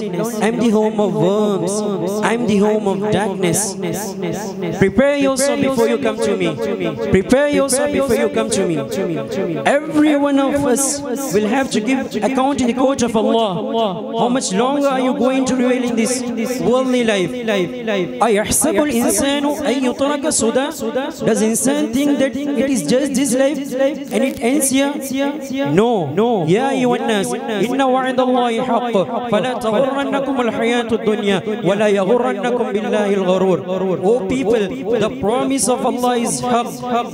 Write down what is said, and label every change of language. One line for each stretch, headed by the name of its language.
English: I am the home of worms. I am the home of darkness. Prepare yourself before you come to me. Prepare yourself before you come to me. Every one of us will have to give account in the court of Allah. How much longer are you going to dwell in this worldly life?
Arabic: أَيَحْسَبُ الْإِنسَانُ أَن يُتْرَكَ سُدًى.
English: Does insan think that it is just this life and it ends here?
Arabic: No. يَا أَيُّهَا النَّاسُ إِنَّ وَعْدَ اللَّهِ حَقٌّ فَلَا تَغُرَّنَّكُمُ الْحَيَاةُ الدُّنْيَا وَلَا يَغُرَّنَّكُم بِاللَّهِ الْغُرُورُ.
English: Oh people, the promise of Allah is حق.